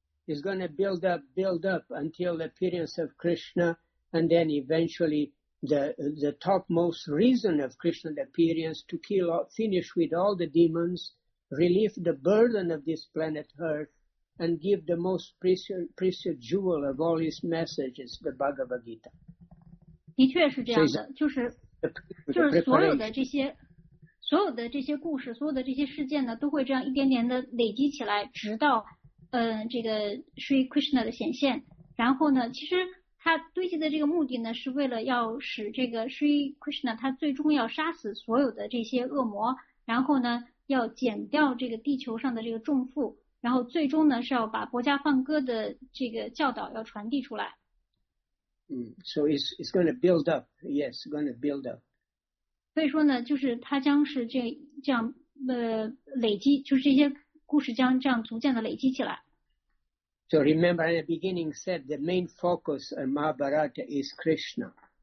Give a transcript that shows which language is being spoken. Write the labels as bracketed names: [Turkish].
[English] It's going to build up until the appearance of Krishna, and then eventually the topmost reason of Krishna's appearance to finish with all the demons, relieve the burden of this planet Earth, and give the most precious jewel of all his messages, the Bhagavad Gita. [Chinese] 的确是这样的，就是所有的这些故事，所有的这些事件呢，都会这样一点点的累积起来，直到这个 Sri Krishna 的显现。然后呢，其实他堆积的这个目的呢，是为了要使这个 Sri Krishna 他最终要杀死所有的这些恶魔，然后呢，要减掉这个地球上的这个重负，然后最终呢，是要把薄伽梵歌的这个教导要传递出来。 [English] So it's going to build up. Yes, going to build up. [Chinese] 所以说呢，就是它将是这样累积，就是这些故事将这样逐渐的累积起来。 [English] So remember, in the beginning, said the main focus of Mahabharata is Krishna.